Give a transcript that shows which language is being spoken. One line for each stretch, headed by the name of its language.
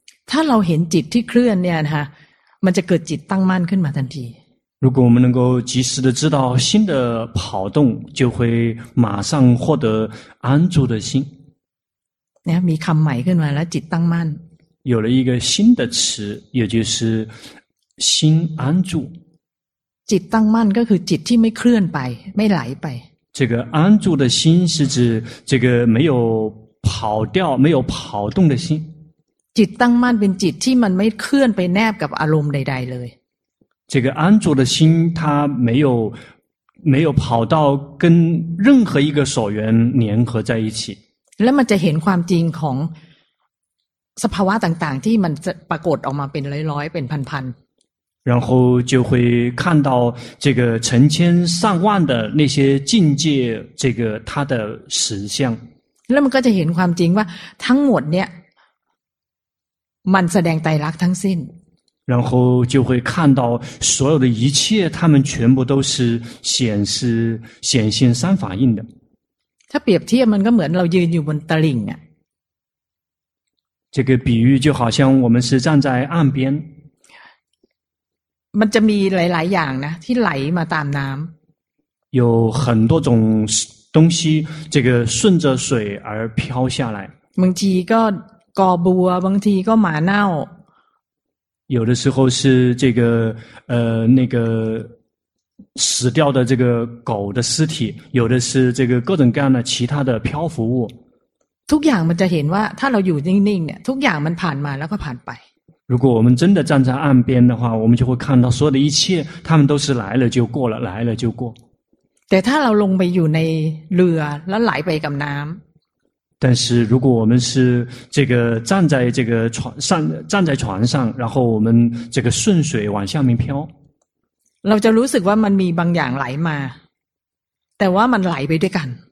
Thai: ถ้าเราเห็นจิตที่เคลื่อนเนี่ยนะฮะมันจะเกิดจิตตั้งมั่นขึ้นมาทันที
Chinese: 如果我们能够及时的知道心的跑动就会马上获得安住的心
Thai: นะมีคำใหม่ขึ้นมาแล้วจิตตั้งมั่น
Chinese: 有了一个新的词也就是心安住
Thai: จิตตั้งมั่นก็คือจิตที่ไม่เคลื่อนไปไม่ไหลไป
Chinese: 这个安住的心是指这个没有跑掉没有跑动的心
Thai: จิตตั้งมั่นเป็นจิตที่มันไม่เคลื่อนไปแนบกับอารมณ์ใดๆเลย
Chinese: 这个安住的心它没有跑到跟任何一个所缘粘合在一起
Thai: แล้วมันจะเห็นความจริงของสภาวะต่างๆที่มันจะปรากฏออกมาเป็นร้อยๆเป็นพัน
Chinese: ๆ然后就会看到这个成千上万的那些境界这个它的实相
Thai: แล้วมันก็จะเห็นความจริงว่าทั้งหมดเนี่ยมันแสดงไตรลักษณ์ทั้งสิ้น
Chinese: 然后就会看到所有的一切他们全部都是显现三法印的
Thai: ถ้าเปรียบเทียบมันก็เหมือนเรายืนอยู่บนตลิ่งอ่ะ
Chinese: 这个比喻就好像我们是站在岸边
Thai: มันจะมีหลายๆอย่างนะที่ไหลมาตามน้ำ
Chinese: 有很多种东西这个顺着水而飘下来
Thai: บางทีก็กอบัวบางทีก็หมาเน่า
Chinese: 有的时候是这个那个死掉的这个狗的尸体有的是这个各种各样的其他的漂浮物
Thai: ทุกอย่างมันจะเห็นว่าถ้าเราอยู่นิ่งๆเนี่ยทุกอย่างมันผ่านมาแล้วก็ผ่านไป
Chinese: 如果我们真的站在岸边的话我们就会看到所有的一切他们都是来了就过了来了就过
Thai: แต่ถ้าเราลงไปอยู่ในเรือแล้วไหลไปกับน้ำ
Chinese: 但是如果我们是这个站在这个船上站在船上然后我们这个顺水往下面飘
Thai: เราจะรู้สึกว่ามันมีบางอย่างไหลมาแต่ว่ามันไหลไปด้วยกัน